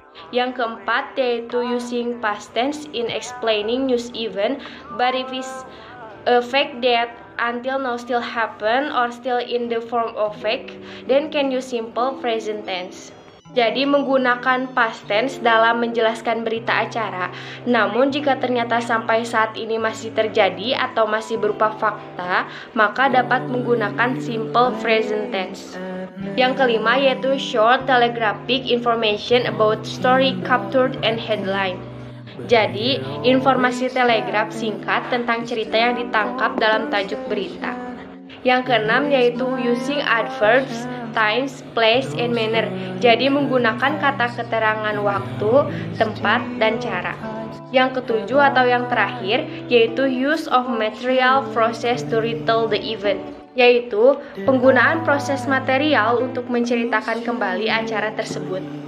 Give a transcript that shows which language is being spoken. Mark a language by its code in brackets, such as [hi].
[id] Yang keempat yaitu [en] using past tense in explaining news event, but if it's a fact that until now still happen or still in the form of fact, then can use simple present tense. [id] Jadi menggunakan past tense dalam menjelaskan berita acara. Namun jika ternyata sampai saat ini masih terjadi atau masih berupa fakta, maka dapat menggunakan simple present tense. Yang kelima yaitu [en] short telegraphic information about story captured and headline. [id] Jadi informasi telegraf singkat tentang cerita yang ditangkap dalam tajuk berita. Yang keenam yaitu [en] using adverbs, times, place, and manner. [id] Jadi menggunakan kata keterangan waktu, tempat, dan cara. Yang ketujuh atau yang terakhir yaitu [en] use of material process to retell the event. [id] Yaitu penggunaan proses material untuk menceritakan kembali acara tersebut.